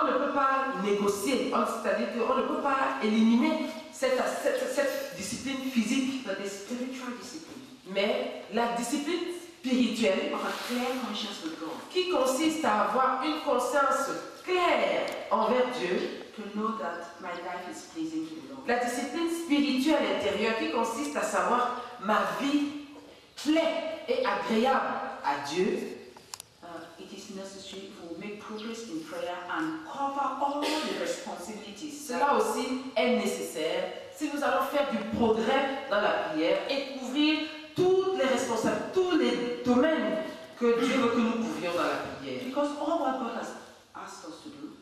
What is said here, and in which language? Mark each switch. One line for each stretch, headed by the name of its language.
French: On ne peut pas négocier, c'est-à-dire qu'on ne peut pas éliminer cette discipline physique.
English: But the spiritual discipline.
French: Mais la discipline spirituelle
English: of a clear conscience with God.
French: Qui consiste à avoir une conscience claire envers Dieu.
English: To know that my life is pleasing to the Lord.
French: La discipline spirituelle intérieure qui consiste à savoir ma vie plaît et agréable à Dieu.
English: It is necessary to make progress in prayer and cover all the responsibilities.
French: Cela aussi est nécessaire si nous allons faire du progrès dans la prière et couvrir toutes les responsabilités, tous les domaines que Dieu veut que nous couvrions dans la prière.
English: Because all what God has asked us to do.